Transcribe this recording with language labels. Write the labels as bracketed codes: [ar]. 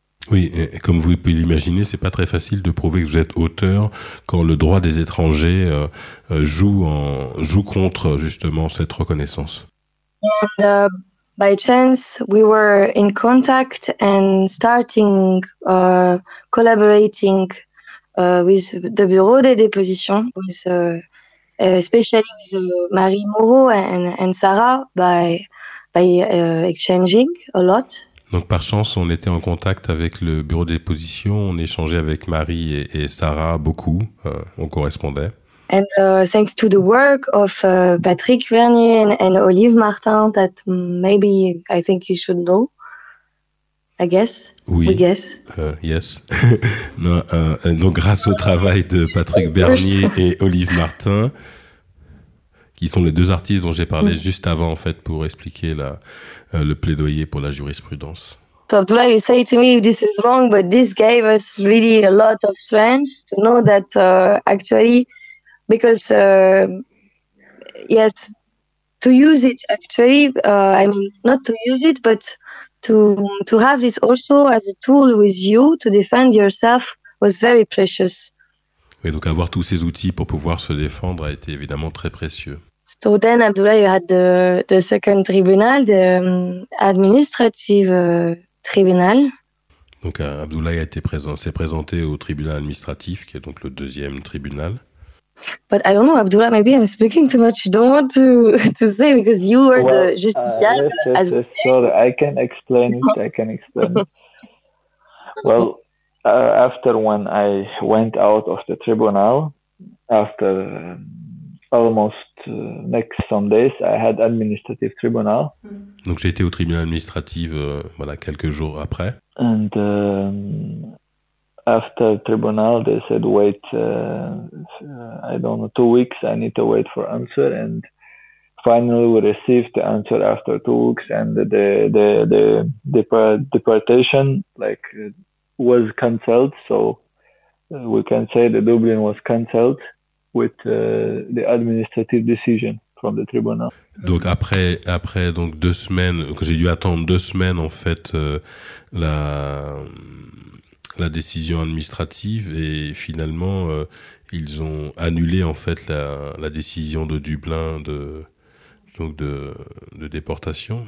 [fr] Oui, et comme vous pouvez l'imaginer, c'est pas très facile de prouver que vous êtes auteur quand le droit des étrangers joue contre justement cette reconnaissance. [en] And, by chance, we were in contact and starting collaborating with the Bureau des Dépositions, with especially with Marie Moreau and Sarah by exchanging a lot. [fr] Donc par chance, on était en contact avec le Bureau des Dépositions, on échangeait avec Marie et Sarah beaucoup, on correspondait. [en] And thanks to the work of Patrick Vernier and Olive Martin, that maybe I think you should know, I guess. [fr] Oui. [en] We guess. Yes. [fr] Donc grâce au travail de Patrick Vernier et Olive Martin, qui sont les deux artistes dont j'ai parlé juste avant, en fait, pour expliquer le plaidoyer pour la jurisprudence. [en] So Abdullah, you say to me this is wrong, but this gave us really a lot of strength to know that actually. Because yet to use it actually, I mean not to use it, but to have this also as a tool with you to defend yourself was very precious. [fr] Oui, donc avoir tous ces outils pour pouvoir se défendre a été évidemment très précieux. [en] So then, Abdullah, you had the second tribunal, the administrative tribunal. [fr] Donc Abdullah s'est présenté au tribunal administratif, qui est donc le deuxième tribunal. [en] But I don't know, Abdullah, maybe I'm speaking too much. You don't want to say because you were well, the justice. Yes, sure. I can explain it. Well, after when I went out of the tribunal, after almost next some days, I had administrative tribunal. [fr] Donc j'ai été au tribunal administratif voilà, quelques jours après. [en] And after tribunal, they said, wait, I don't know, 2 weeks, I need to wait for answer. And finally, we received the answer after 2 weeks, and the deportation like was cancelled. So we can say the Dublin was cancelled with the administrative decision from the tribunal. [fr] Donc après donc 2 semaines, que j'ai dû attendre 2 semaines, en fait, la décision administrative, et finalement ils ont annulé en fait la décision de Dublin de déportation.